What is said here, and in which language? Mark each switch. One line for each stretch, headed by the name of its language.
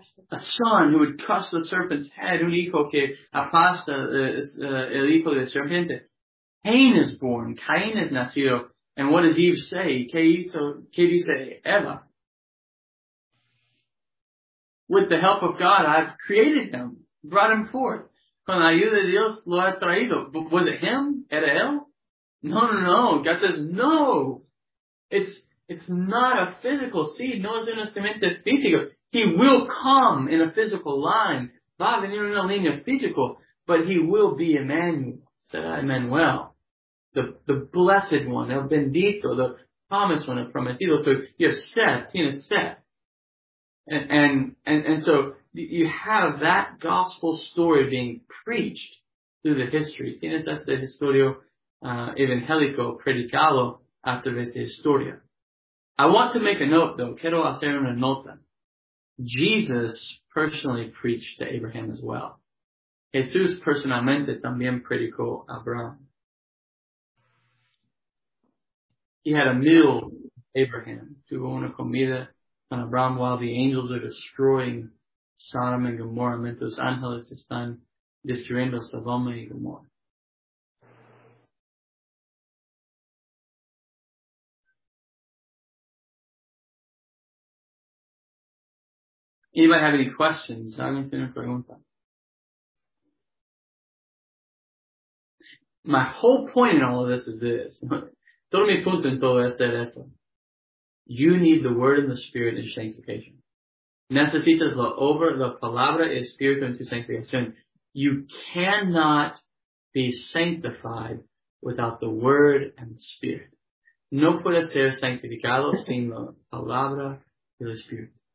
English: A son who would crush the serpent's head.
Spanish: Un hijo que aplasta el hijo de la serpiente.
English: Cain is born.
Spanish: Cain es nacido.
English: And what does Eve say?
Spanish: ¿Qué hizo? ¿Qué dice Eva?
English: With the help of God, I've created him, brought him forth.
Spanish: Con la ayuda de Dios, lo ha traído.
English: Was it him?
Spanish: ¿Era él?
English: No. God says, no. It's not a physical seed.
Spanish: No es una semente física.
English: He will come in a physical line.
Spanish: Va a venir una línea física.
English: But he will be Emmanuel. Said Emmanuel. The blessed one.
Spanish: El bendito.
English: The promised one.
Spanish: El prometido.
English: So you're Seth.
Spanish: Tienes Seth.
English: And so you have that gospel story being preached through the history.
Spanish: Tienes esta historia evangélico predicado a través de historia.
English: I want to make a note though.
Spanish: Quiero hacer una nota.
English: Jesus personally preached to Abraham as well.
Spanish: Jesús personalmente también predicó a Abraham.
English: He had a meal with Abraham.
Spanish: Tuvo una comida.
English: And Abraham, while the angels are destroying Sodom and Gomorrah,
Spanish: mientras ángeles están destruyendo Sodoma y Gomorrah.
English: Anybody have any questions?
Spanish: ¿Alguien tiene una pregunta?
English: My whole point in all of this is this.
Spanish: Todo mi punto en todo esto es esto.
English: You need the Word and the Spirit in sanctification.
Spanish: Necesitas la obra, la palabra y el Espíritu en tu sanctificación.
English: You cannot be sanctified without the Word and the Spirit.
Spanish: No puedes ser sanctificado sin la palabra y el Espíritu.